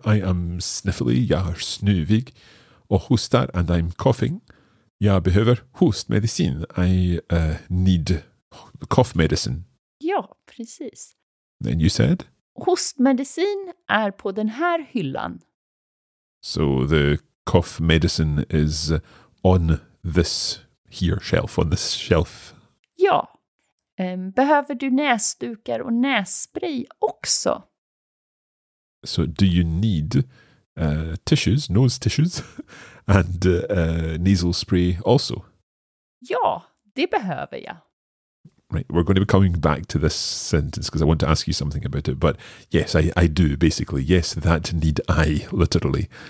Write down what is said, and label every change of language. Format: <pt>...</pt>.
<en>I am sniffly,</en> <sv>jag är snuvig och hostar,</sv> <en>and I'm coughing.</en> <sv>Jag behöver hostmedicin.</sv> <en>I need cough medicine.</en> <sv>Ja, precis.</sv> <en>Then you said?</en> <sv>Hostmedicin är på den här hyllan.</sv> <en>So the cough medicine is on this here shelf, on this shelf.</en> <sv>Ja. Behöver du näsdukar och nässpray också?</sv> <en>So do you need tissues, nose tissues, and nasal spray also?</en> <sv>Ja, det behöver jag.</sv> <en>Right, we're going to be coming back to this sentence because I want to ask you something about it. But yes, I do, basically. Yes, that need I, literally.</en>